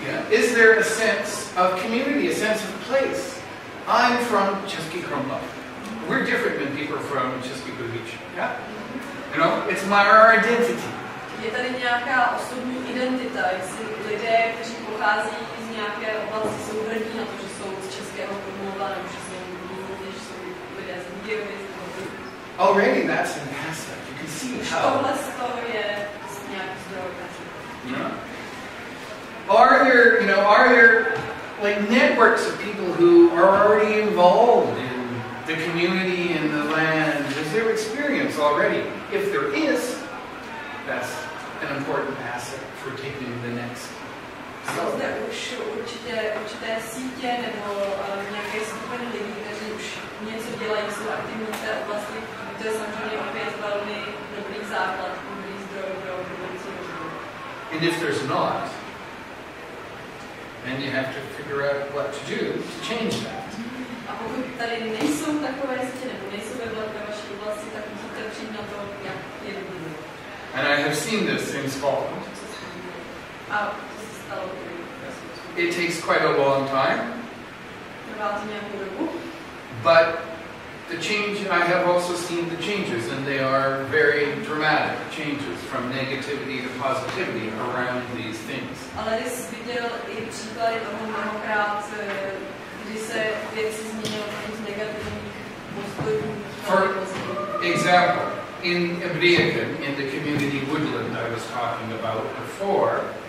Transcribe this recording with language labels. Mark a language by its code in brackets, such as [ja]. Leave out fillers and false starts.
[en] Is there a sense of community, a sense of place? I'm from Český Krumlov. We're different than people from Český Budějovice. Yeah? You know, it's my our identity. [cs] Je tady nějaká osobní identita, jestli lidé, kteří pochází z nějaké oblasti, jsou hrdí na to, že jsou z Českého Krumlova, nebo že jsou lidé z Budějovice. [en] Already that's an asset. You can see how. [cs] Tohle z toho je nějaký zdroj. [en] Are there like networks of people who are already involved in the community and the land? Is there experience already? If there is, that's an important asset for taking the next step. [cs] Jsou zde už určité sítě nebo nějaké skupiny lidí, kteří už něco dělají, jsou aktivní v té oblasti, a to je samozřejmě opět velmi dobrý základ, dobrý zdroj pro budoucí rozvoj. [en] And if there's not, then you have to figure out what to do to change that. [cs] A pokud tady nejsou takové sítě, nebo nejsou ve velké vaší oblasti, tak musíte přijít na to, jak je vybudovat. [en] And I have seen this in Scotland. [cs] A to se stalo. [en] It takes quite a long time. [cs] Trvá to nějakou dobu. [en] But The change, I have also seen the changes, and they are very dramatic changes from negativity to positivity around these things. [cs] Ale jsi viděl i příklady toho mnohokrát, kdy se věci změnily z negativních postojů. [en] Example. In Abdiakin, in the community woodland I was talking about before.